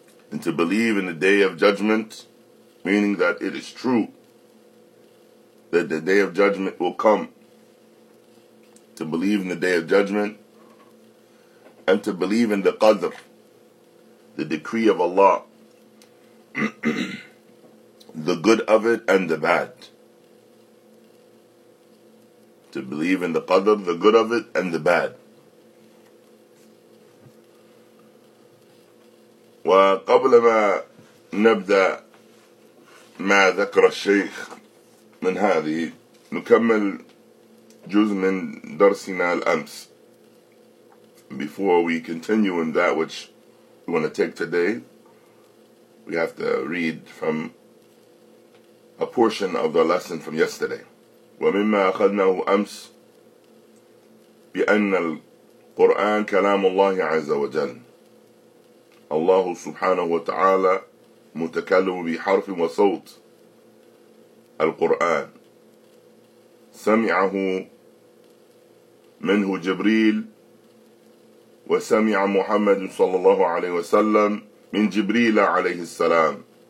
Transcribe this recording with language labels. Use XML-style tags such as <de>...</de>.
<en>and to believe in the Day of Judgment, meaning that it is true that the Day of Judgment will come, to believe in the Day of Judgment, and to believe in the Qadr, the decree of Allah, the good of it and the bad. to believe in the qadr, the good of it and the bad.</en> <ar>وقبل ما نبدأ ما ذكر الشيخ من هذه نكمل جزء من درسنا الأمس.</ar> <en>Before we continue in that which we want to take today, we have to read from a portion of the lesson from yesterday.</en> <ar>وَمِمَّا أَخَذْنَاهُ أَمْسِ بِأَنَّ الْقُرْآنَ كَلَامُ اللَّهِ عَزَّ وَجَلَّ اللَّهُ سُبْحَانَهُ وَتَعَالَى مُتَكَلِّمُ بِحَرْفٍ وَصَوْتٍ الْقُرْآنَ سَمِعَهُ مِنْهُ جِبْرِيلُ وَسَمِعَ مُحَمَّدٌ صَلَّى اللَّهُ عَلَيْهِ وَسَلَّمَ مِنْ جِبْرِيلَ عَلَيْهِ السَّلَامِ.</ar>